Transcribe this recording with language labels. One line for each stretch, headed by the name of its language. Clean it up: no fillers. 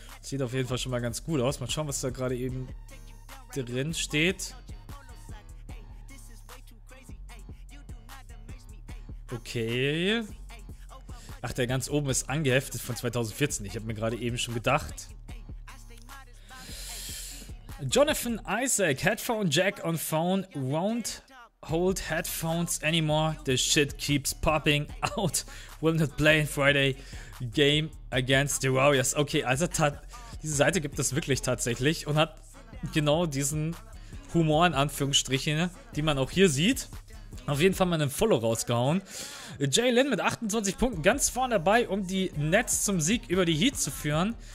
German: Sieht auf jeden Fall schon mal ganz gut aus. Mal schauen, was da gerade eben drin steht. Okay. Ach, der ganz oben ist angeheftet von 2014. Ich habe mir gerade eben schon gedacht.
English: Jonathan Isaac, Headphone Jack on phone, won't hold headphones anymore. The shit keeps popping out. Will not play in Friday game against the Warriors.
German: Okay, also diese Seite gibt es wirklich tatsächlich und hat genau diesen Humor in Anführungsstrichen, die man auch hier sieht. Auf jeden Fall mal einen Follow rausgehauen. Jaylen mit 28 Punkten ganz vorne dabei, um die Nets zum Sieg über die Heat zu führen.